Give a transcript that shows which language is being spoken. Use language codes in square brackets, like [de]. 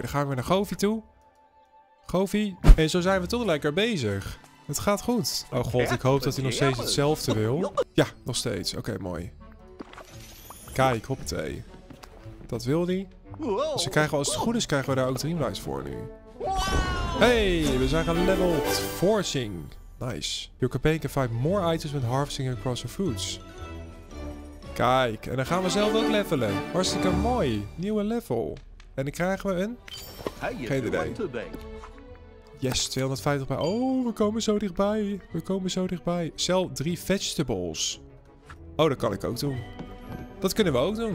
[nl] Dan gaan we naar Govi toe. Govi. En zo zijn we toch lekker bezig. Het gaat goed. Oh god, ik hoop dat hij nog steeds hetzelfde wil. Ja, nog steeds. Oké, mooi. Kijk, hoppatee. Dat wil hij. Dus we krijgen, als het goed is, krijgen we daar ook Dreamlights voor nu. Hey, we zijn geleveld. Forcing. Nice. [en] Your campaign can find more items with harvesting across your foods. [nl] Kijk, en dan gaan we zelf ook levelen. Hartstikke mooi. Nieuwe level. En dan krijgen we een... Geen idee. Yes, 250 bij. Oh, we komen zo dichtbij. We komen zo dichtbij. [en] Sell 3 vegetables. [nl] Oh, dat kan ik ook doen. Dat kunnen we ook doen.